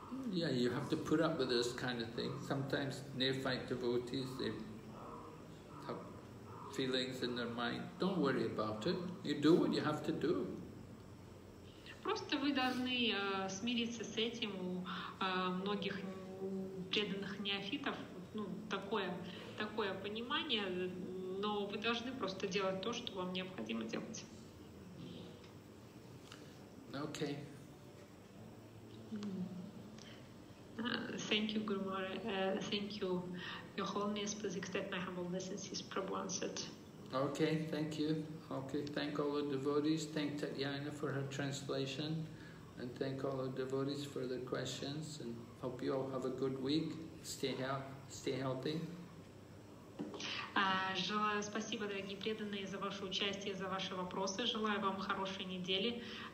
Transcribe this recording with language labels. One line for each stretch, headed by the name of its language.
English: Yeah, you have to put up with this kind of thing. Sometimes neophyte devotees, they have feelings in their mind. Don't worry about it. You do what you have to do.
Russian: Просто вы должны смириться с этим. У многих преданных неофитов такое понимание, но вы должны просто делать то, что вам необходимо делать.
English: Okay. Thank you, Guru Maharaj. Thank you, Your Holiness. Please accept my humble obeisances. Prabhu answered. Okay, thank you. Okay, thank all the devotees. Thank Tatyana for her translation. And thank all the devotees for their questions. And hope you all have a good week. Stay healthy.
Russian: Желаю спасибо, дорогие преданные, за ваше участие, за ваши вопросы. Желаю вам хорошей недели.